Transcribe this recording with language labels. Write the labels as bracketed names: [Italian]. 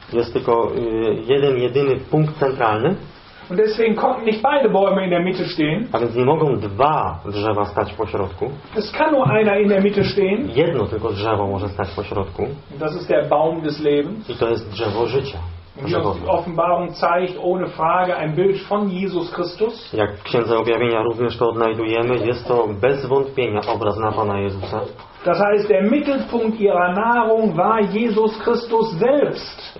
[Polish] Jest tylko jeden jedyny punkt centralny. [German] Und deswegen konnten nicht beide Bäume in der Mitte stehen. [Polish] A więc nie mogą dwa drzewa stać po środku. [German] Es kann nur einer in der Mitte stehen. [Polish] Jedno tylko drzewo może stać po środku. [German] Und das ist der Baum des Lebens. [Polish] I to jest drzewo życia. [German] Die Offenbarung zeigt ohne Frage ein Bild von Jesus Christus. [Polish] Jak w Księdze Objawienia również to odnajdujemy, jest to bez wątpienia obraz na Pana Jezusa. [German] Das heißt, der Mittelpunkt ihrer Nahrung war Jesus Christus selbst.